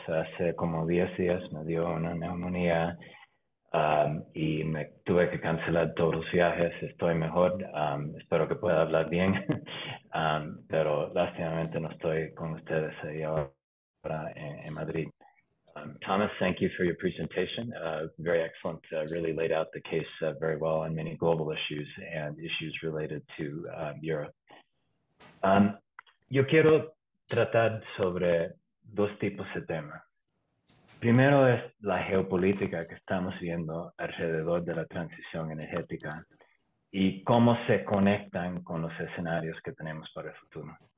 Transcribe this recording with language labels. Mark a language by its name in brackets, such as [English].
[Spanish] Hace como 10 días me dio una neumonía y me tuve que cancelar todos los viajes. Estoy mejor, espero que pueda hablar bien, pero lastimamente no estoy con ustedes ahí ahora en Madrid. [English] Thomas, thank you for your presentation. Very excellent. Really laid out the case very well on many global issues and issues related to Europe. [Spanish] Yo quiero tratar sobre dos tipos de temas. Primero es la geopolítica que estamos viendo alrededor de la transición energética y cómo se conectan con los escenarios que tenemos para el futuro.